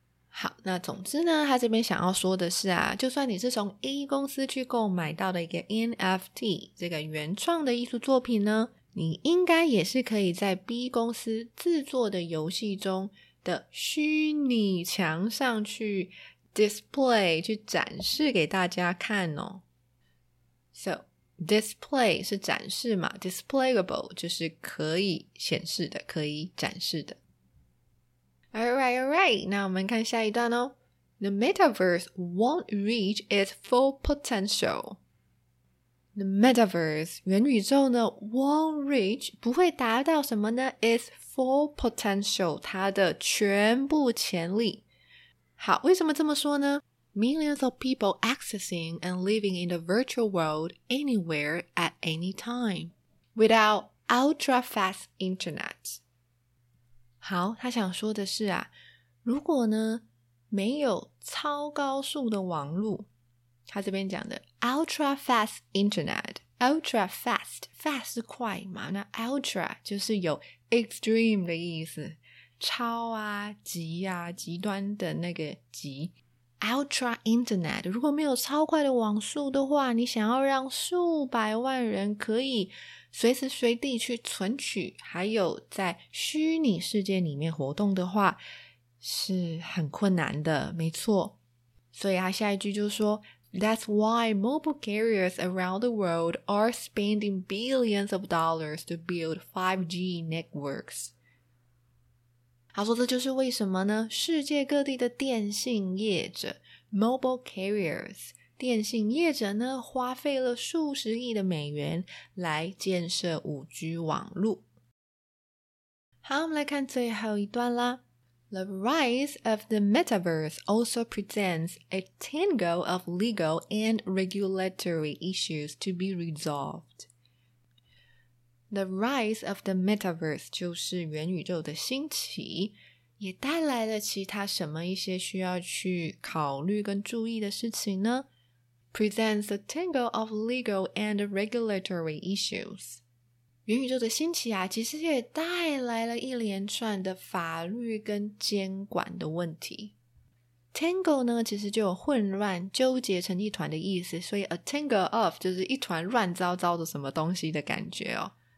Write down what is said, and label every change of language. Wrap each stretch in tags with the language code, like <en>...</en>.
<zh>好，那总之呢，他这边想要说的是啊，就算你是从 A 公司去购买到的一个 NFT 这个原创的艺术作品呢，你应该也是可以在 B 公司制作的游戏中的虚拟墙上去 display 去展示给大家看哦。 So display 是展示嘛， displayable 就是可以显示的，可以展示的。 Alright, alright, 那我们看下一段哦。</zh> <en>The metaverse won't reach its full potential. The metaverse</en> <zh>元宇宙呢</zh> <en>won't reach</en> <zh>不会达到什么呢，</zh> <en>its full potential</en> <zh>它的全部潜力。好，为什么这么说呢？</zh> <en>Millions of people accessing and living in the virtual world anywhere at any time without ultra fast internet.</en> <zh>好，他想说的是啊，如果呢没有超高速的网路，他这边讲的</zh> <en>ultra fast internet,</en> <zh>ultra fast, fast 是快嘛，那 ultra 就是有extreme 的意思，超啊极啊极端的那个极。 Ultra internet 如果没有超快的网速的话，你想要让数百万人可以随时随地去存取还有在虚拟世界里面活动的话，是很困难的，没错。所以他下一句就说，</zh> <en>That's why mobile carriers around the world are spending billions of dollars to build 5G networks.</en> <zh>他说这就是为什么呢？世界各地的电信业者 mobile carriers 电信业者呢花费了数十亿的美元来建设 5G 网路。好，我们来看最后一段啦。</zh> <en>The rise of the metaverse also presents a tangle of legal and regulatory issues to be resolved. The rise of the metaverse</en> <zh>就是元宇宙的兴起，也带来了其他什么一些需要去考虑跟注意的事情呢？</zh> <en>Presents a tangle of legal and regulatory issues.</en> <zh>元宇宙的兴起啊，其实也带来了一连串的法律跟监管的问题。 Tangle 呢，其实就有混乱、纠结成一团的意思，所以</zh> <en>a tangle of</en> <zh>就是一团乱糟糟的什么东西的感觉哦。</zh>